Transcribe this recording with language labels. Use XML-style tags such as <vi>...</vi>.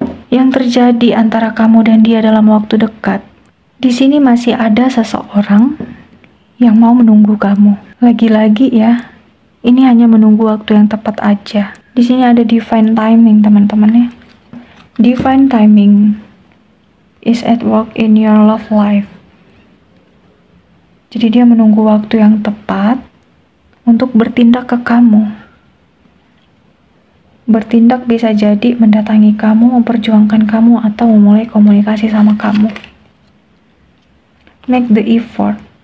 <id>Yang terjadi antara kamu dan dia dalam waktu dekat. Di sini masih ada seseorang yang mau menunggu kamu. Lagi-lagi ya, ini hanya menunggu waktu yang tepat aja. Di sini ada divine timing, teman-teman ya.</id> <en>Divine timing is at work in your love life.</en> <id>Jadi dia menunggu waktu yang tepat untuk bertindak ke kamu. Bertindak bisa jadi mendatangi kamu, memperjuangkan kamu, atau memulai komunikasi sama kamu.</id> <en>Make the effort.</en>